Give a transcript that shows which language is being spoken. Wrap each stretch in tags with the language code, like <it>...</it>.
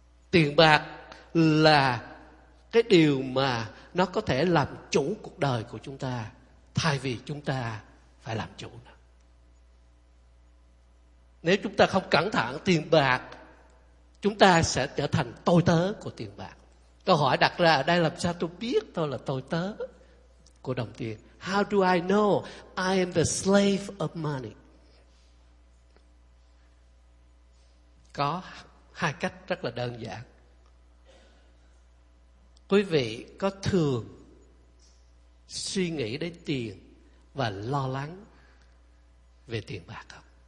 <vi>Tiền bạc là cái điều mà nó có thể làm chủ cuộc đời của chúng ta thay vì chúng ta phải làm chủ nó. Nếu chúng ta không cẩn thận tiền bạc, chúng ta sẽ trở thành tôi tớ của tiền bạc. Câu hỏi đặt ra ở đây, làm sao tôi biết tôi là tôi tớ của đồng tiền?</vi> <en>How do I know I am the slave of money?</en> <vi>Có hai cách rất là đơn giản. Quý vị có thường suy nghĩ đến tiền và lo lắng về tiền bạc không?</vi>